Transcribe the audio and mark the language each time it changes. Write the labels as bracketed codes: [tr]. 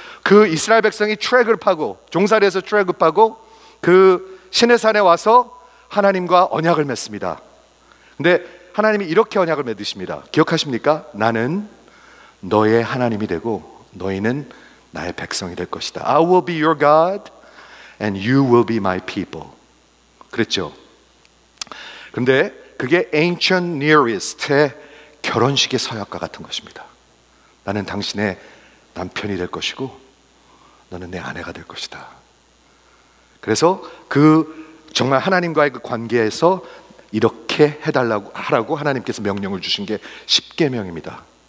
[ko] 그 이스라엘 백성이 출애굽하고 종살이에서 출애굽하고 그 시내산에 와서 하나님과 언약을 맺습니다. 근데 하나님이 이렇게 언약을 맺으십니다. 기억하십니까? 나는 너의 하나님이 되고 너희는 나의 백성이 될 것이다. [en] I will be your God and you will be my people. [ko] 그랬죠? 근데 그게 Ancient Near East의 결혼식의 서약과 같은 것입니다. 나는 당신의 남편이 될 것이고 너는 내 아내가 될 것이다. 그래서 그 정말 하나님과의 그 관계에서 이렇게 해달라고 하라고 하나님께서 명령을 주신 게 십계명입니다.